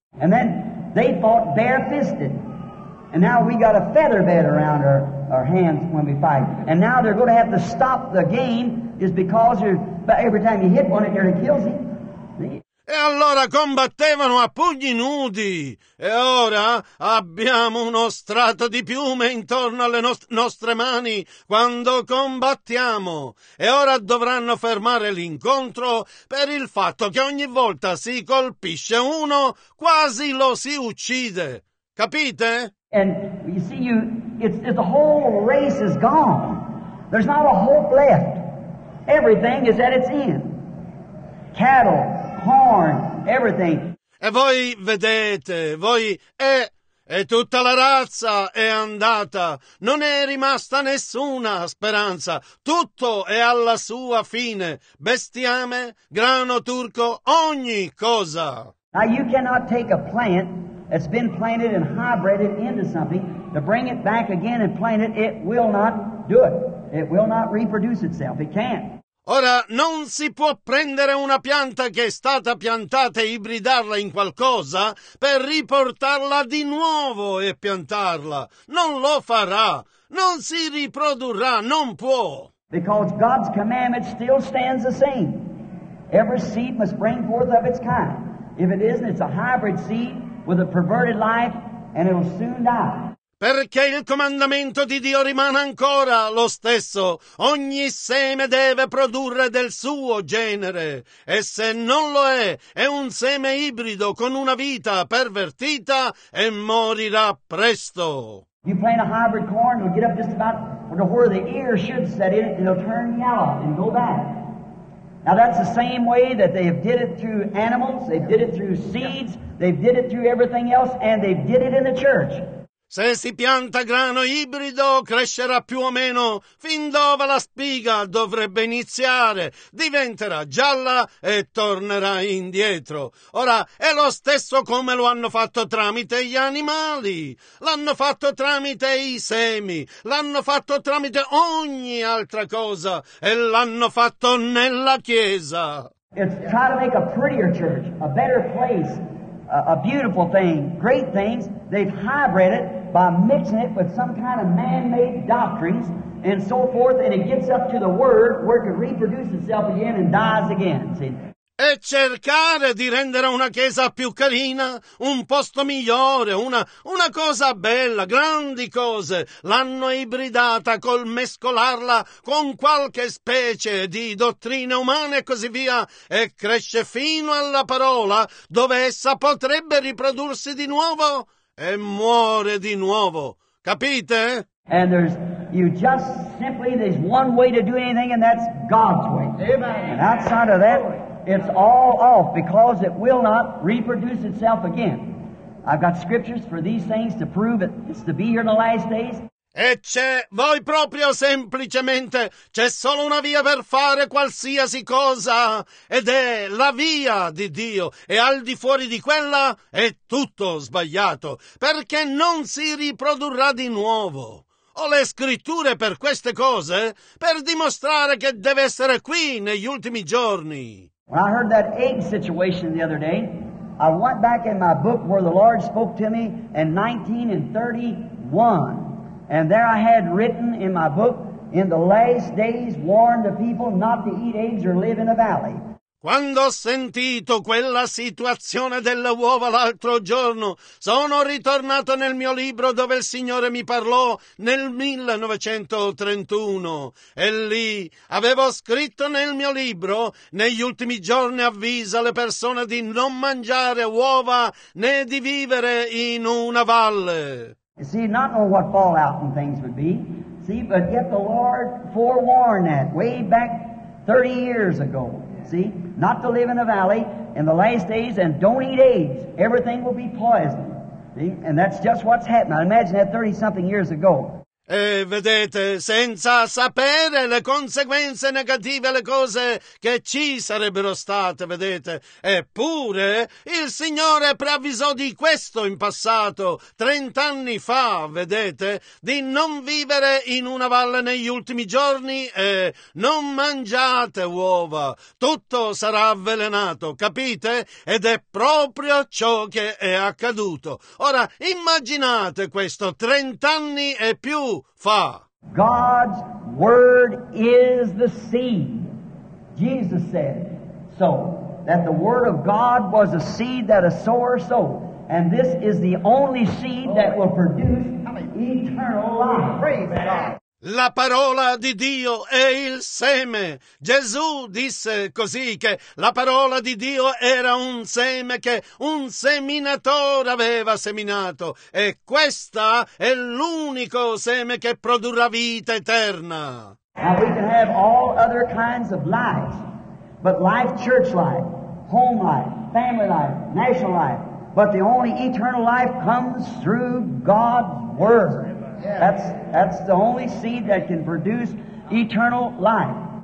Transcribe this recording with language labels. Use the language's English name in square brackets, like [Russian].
[English] And then they fought bare-fisted. And now we got a feather bed around our hands when we fight. And now they're going to have to stop the game is because every time you hit one, it nearly kills him. [Italian] E allora combattevano a pugni nudi. E ora abbiamo uno strato di piume intorno alle nostre mani quando combattiamo. E ora dovranno fermare l'incontro per il fatto che ogni volta si colpisce uno, quasi lo si uccide. Capite? [English] And you see, The whole race is gone. There's not a hope left. Everything is at its end. Cattle, corn, everything. [Italian] E voi vedete, e tutta la razza è andata, non è rimasta nessuna speranza, tutto è alla sua fine, bestiame, grano turco, ogni cosa. [English] Now you cannot take a plant that's been planted and hybrided into something to bring it back again and plant it, it will not do it, it will not reproduce itself, it can't. [Italian] Ora, non si può prendere una pianta che è stata piantata e ibridarla in qualcosa per riportarla di nuovo e piantarla. Non lo farà. Non si riprodurrà. Non può. [English] Because God's commandment still stands the same. Every seed must bring forth of its kind. If it isn't, it's a hybrid seed with a perverted life and it'll soon die. [Italian] Perché il comandamento di Dio rimane ancora lo stesso. Ogni seme deve produrre del suo genere. E se non lo è un seme ibrido con una vita pervertita e morirà presto. [English] You plant a hybrid corn, it'll get up just about to where the ear should set in it, and it'll turn yellow and go back. Now that's the same way that they have did it through animals, they've did it through seeds, they've did it through everything else, and they've did it in the church. [Italian] Se si pianta grano ibrido, crescerà più o meno fin dove la spiga dovrebbe iniziare, diventerà gialla e tornerà indietro. Ora, è lo stesso come lo hanno fatto tramite gli animali, l'hanno fatto tramite i semi, l'hanno fatto tramite ogni altra cosa e l'hanno fatto nella Chiesa. [English] It's trying to make a prettier church, a better place. A beautiful thing, great things, they've hybrid it by mixing it with some kind of man-made doctrines and so forth, and it gets up to the Word where it can reproduce itself again and dies again, see? [Italian] E cercare di rendere una chiesa più carina, un posto migliore, una cosa bella, grandi cose, l'hanno ibridata col mescolarla con qualche specie di dottrine umane e così via, e cresce fino alla parola dove essa potrebbe riprodursi di nuovo e muore di nuovo. Capite? [English] And there's you just simply there's one way to do anything and that's God's way. Amen. And outside of that, it's all off because it will not reproduce itself again. I've got scriptures for these things to prove it. It's to be here in the last days. [Italian] E c'è, voi proprio semplicemente, c'è solo una via per fare qualsiasi cosa, ed è la via di Dio, e al di fuori di quella è tutto sbagliato, perché non si riprodurrà di nuovo. Ho le scritture per queste cose, per dimostrare che deve essere qui negli ultimi giorni. [English] When I heard that egg situation the other day, I went back in my book where the Lord spoke to me in 1931. And there I had written in my book, in the last days warned the people not to eat eggs or live in a valley. [Italian] Quando ho sentito quella situazione delle uova l'altro giorno, sono ritornato nel mio libro dove il Signore mi parlò nel 1931. E lì avevo scritto nel mio libro, negli ultimi giorni avvisa le persone di non mangiare uova né di vivere in una valle. [English] See, not know what fallout and things would be. See, but yet the Lord forewarned that way back 30 years ago. See, not to live in a valley in the last days and don't eat eggs. Everything will be poison. See, and that's just what's happened. I imagine that 30-something years ago. [Italian] E vedete, senza sapere le conseguenze negative, le cose che ci sarebbero state, vedete. Eppure, il Signore preavvisò di questo in passato, 30 anni fa, vedete, di non vivere in una valle negli ultimi giorni e non mangiate uova. Tutto sarà avvelenato, capite? Ed è proprio ciò che è accaduto. Ora, immaginate questo, 30 anni e più. [English] God's word is the seed. Jesus said so, that the word of God was a seed that a sower sowed. And this is the only seed that will produce eternal life. Praise God. [Italian] La parola di Dio è il seme. Gesù disse così che la parola di Dio era un seme che un seminatore aveva seminato. E questa è l'unico seme che produrrà vita eterna. [English] Now we can have all other kinds of lives, but life, church life, home life, family life, national life, but the only eternal life comes through God's Word. That's the only seed that can produce eternal life.